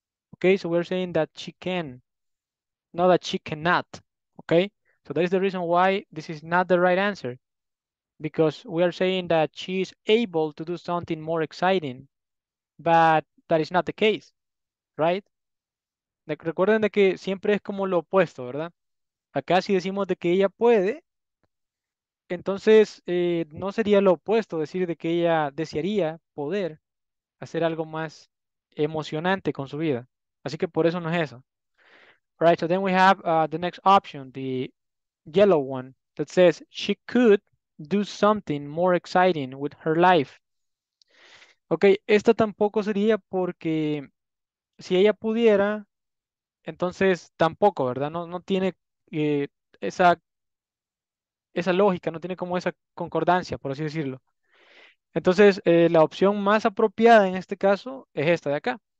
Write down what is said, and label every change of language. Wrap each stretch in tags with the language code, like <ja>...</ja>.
<en>Ok, so we're saying that she can, not that she cannot. Ok, so that is the reason why this is not the right answer. Because we are saying that she is able to do something more exciting, but that is not the case, right?</en> <es>Recuerden de que siempre es como lo opuesto, ¿verdad? Acá si decimos de que ella puede, entonces no sería lo opuesto decir de que ella desearía poder hacer algo más emocionante con su vida. Así que por eso no es eso.</es> <en>Right, so then we have the next option, the yellow one, that says she could do something more exciting with her life.</en> <es>Ok, esta tampoco sería porque si ella pudiera. Entonces, tampoco, ¿verdad? No tiene esa lógica, no tiene como esa concordancia, por así decirlo. Entonces, la opción más apropiada en este caso es esta de acá.</es>